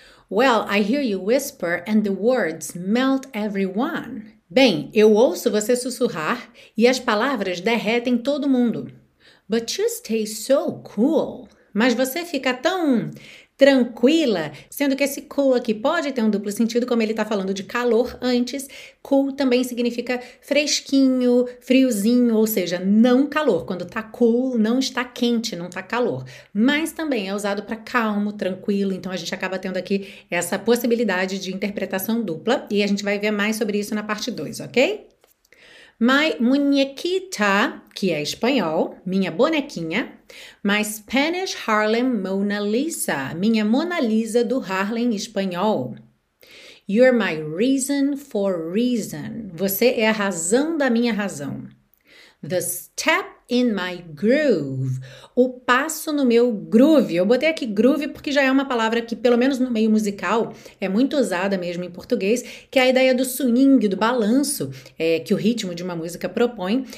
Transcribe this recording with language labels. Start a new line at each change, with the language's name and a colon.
English: Well, I hear you whisper and the words melt everyone.
Portuguese: Bem, eu ouço você sussurrar e as palavras derretem todo mundo.
English: But you stay so cool.
Portuguese: Mas você fica tão tranquila, sendo que esse cool aqui pode ter um duplo sentido, como ele está falando de calor antes. Cool também significa fresquinho, friozinho, ou seja, não calor. Quando tá cool, não está quente, não tá calor. Mas também é usado para calmo, tranquilo. Então a gente acaba tendo aqui essa possibilidade de interpretação dupla. E a gente vai ver mais sobre isso na parte 2, ok?
English: My muñequita,
Portuguese: que é espanhol, minha bonequinha.
English: My Spanish Harlem Mona Lisa,
Portuguese: minha Mona Lisa do Harlem espanhol.
English: You're my reason for reason.
Portuguese: Você é a razão da minha razão.
English: The step in my groove.
Portuguese: O passo no meu groove. Eu botei aqui groove porque já é uma palavra que, pelo menos no meio musical, é muito usada mesmo em português, que é a ideia do swing, do balanço, que o ritmo de uma música propõe.